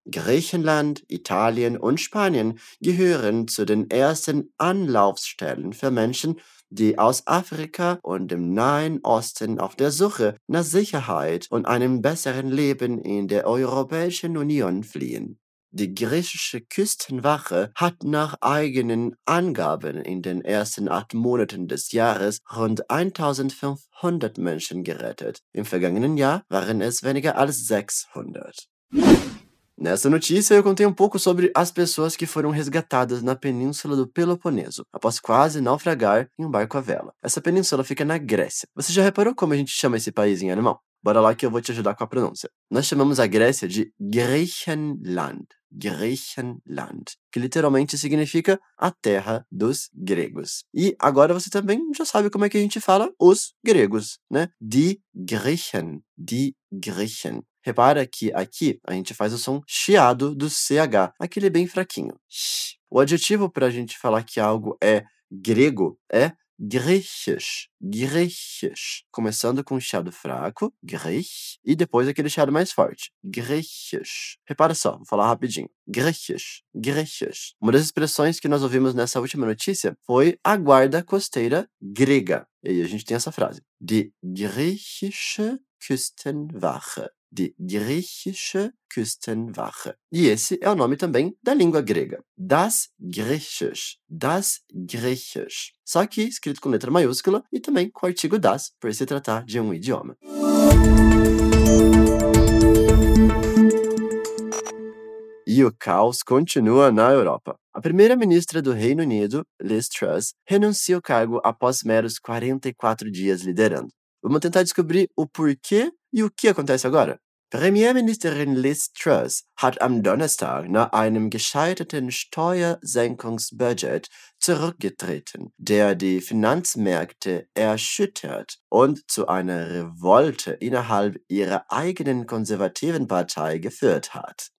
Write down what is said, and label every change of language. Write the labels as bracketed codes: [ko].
[de] Griechenland, Italien und Spanien gehören zu den ersten Anlaufstellen für Menschen, die aus Afrika und dem Nahen Osten auf der Suche nach Sicherheit und einem besseren Leben in der Europäischen Union fliehen. Die griechische Küstenwache hat nach eigenen Angaben in den ersten 8 Monaten des Jahres rund 1500 Menschen gerettet. Im vergangenen Jahr waren es weniger als 600. [pt] Nessa notícia, eu contei um pouco sobre as pessoas que foram resgatadas na península do Peloponeso, após quase naufragar em um barco à vela. Essa península fica na Grécia. Você já reparou como a gente chama esse país em alemão? Bora lá que eu vou te ajudar com a pronúncia. Nós chamamos a Grécia de Griechenland. Griechenland, que literalmente significa a terra dos gregos. E agora você também já sabe como é que a gente fala os gregos, né? [de] Die Griechen, die Griechen. [pt] Repara que aqui a gente faz o som chiado do CH, aquele bem fraquinho. O adjetivo para a gente falar que algo é grego é griechisch, griechisch. Começando com um chiado fraco, griech, e depois aquele chiado mais forte, griechisch. Repara só, vou falar rapidinho. [de] Griechisch, griechisch. [pt] Uma das expressões que nós ouvimos nessa última notícia foi a guarda costeira grega. E aí a gente tem essa frase. [de] Die griechische Küstenwache. Die griechische Küstenwache. [pt] E esse é o nome também da língua grega. Das griechisch. Das griechisch. Só que escrito com letra maiúscula e também com o artigo das, por se tratar de um idioma. E o caos continua na Europa. A primeira-ministra do Reino Unido, Liz Truss, renuncia ao cargo após meros 44 dias liderando. Vamos tentar descobrir o porquê e o que acontece agora? [de] Premierministerin Liz Truss hat am Donnerstag nach einem gescheiterten Steuersenkungsbudget zurückgetreten, der die Finanzmärkte erschüttert und zu einer Revolte innerhalb ihrer eigenen konservativen Partei geführt hat.